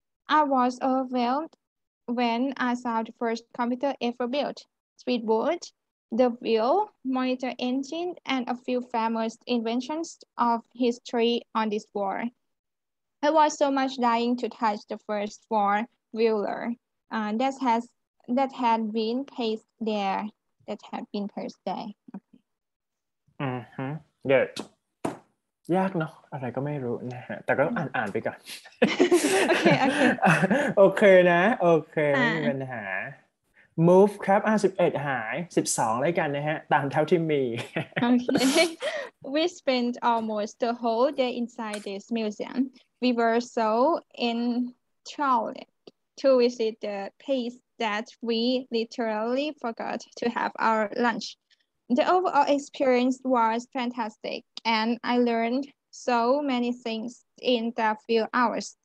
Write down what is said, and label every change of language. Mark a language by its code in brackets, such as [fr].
[en] I was overwhelmed when I saw the first computer ever built, speedboat, the wheel, monitor engine, and a few famous inventions of history on this floor. I was so much dying to touch the first floor wheeler that had been placed there. Mm-hmm. [th] เดยากเนาะอะไรก็ไม่รู้นะฮะแต่ก็อ่านไปก่อน โอเคโอเค โอเคนะโอเคไม่มีปัญหา move ครับ11หาย12แล้วกันนะฮะตามเท่าที่มี [en] โอเค we spent almost the whole day inside this museum we were so enthralled to visit the place that we literally forgot to have our lunchThe overall experience was fantastic, and I learned so many things in the few hours.